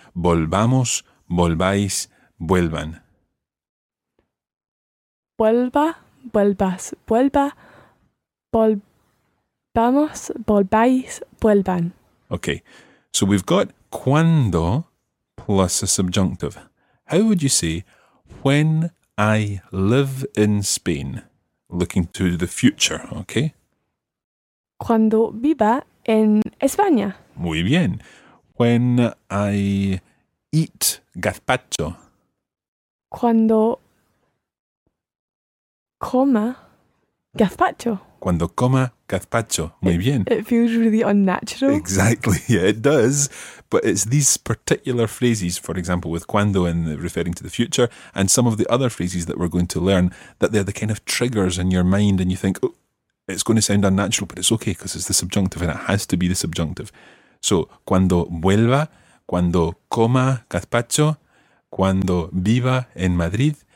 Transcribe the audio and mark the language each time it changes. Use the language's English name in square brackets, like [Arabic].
[Spanish] Volvamos, volváis, vuelvan. Vuelva, vuelvas, vuelva. Volvamos, volváis, vuelvan. [English] Okay. So we've got cuando plus a subjunctive. How would you say when I live in Spain? Looking to the future, okay? [Spanish] Cuando viva en España. Muy bien. [English] When I eat gazpacho. [Spanish] Cuando coma gazpacho. Cuando coma gazpacho. Muy bien. [English] It feels really unnatural. Exactly. Yeah, it does. But it's these particular phrases, for example, with cuando and referring to the future, and some of the other phrases that we're going to learn, that they're the kind of triggers in your mind and you think, oh, it's going to sound unnatural, but it's okay because it's the subjunctive and it has to be the subjunctive. So, [Spanish] cuando vuelva, cuando coma gazpacho, cuando viva en Madrid.